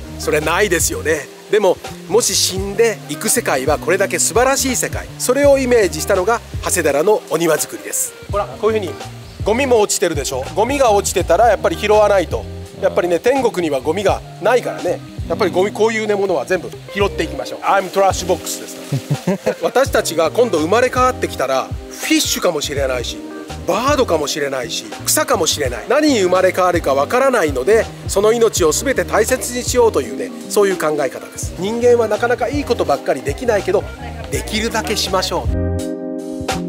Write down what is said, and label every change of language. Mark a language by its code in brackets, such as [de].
[ja] それないですよね。でももし死んで行く世界はこれだけ素晴らしい世界、それをイメージしたのが長谷寺のお庭作りです。ほらこういうふうにゴミも落ちてるでしょ。ゴミが落ちてたらやっぱり拾わないと、やっぱりね天国にはゴミがないからね、やっぱりゴミこういうねものは全部拾っていきましょう。 [en] I'm trash box [ja] です。私たちが今度生まれ変わってきたらフィッシュかもしれないし、バードかもしれないし、草かもしれない、何に生まれ変わるかわからないので、その命を全て大切にしようというね、そういう考え方です。人間はなかなかいいことばっかりできないけど、できるだけしましょう。